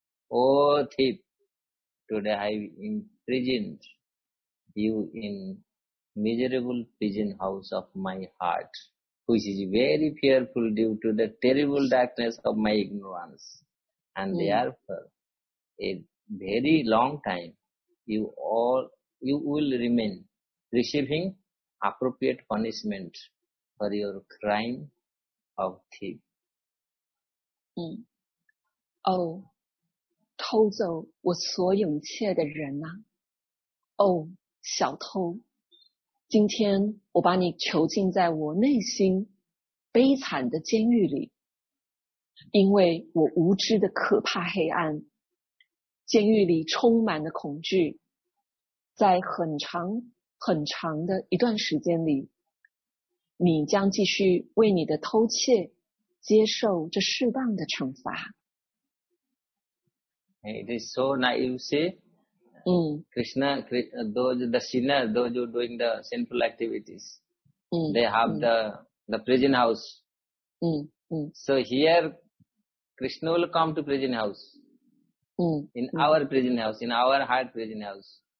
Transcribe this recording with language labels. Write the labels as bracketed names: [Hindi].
[English] Oh thief, today I have imprisoned you in miserable prison house of my heart, which is very fearful due to the terrible darkness of my ignorance. And therefore, a very long time, you will remain receiving appropriate punishment for your crime of thief. [Chinese] 偷走我所有一切的人啊。小偷。今天我把你囚禁在我内心悲惨的监狱里，因为我无知的可怕黑暗，监狱里充满了恐惧，在很长很长的一段时间里，你将继续为你的偷窃接受这释放的惩罚。 [English] It is so naive, see? Krishna, those the sinners, those who are doing the sinful activities, they have the prison house. So here, Krishna will come to prison house. In our prison house, in our heart prison house.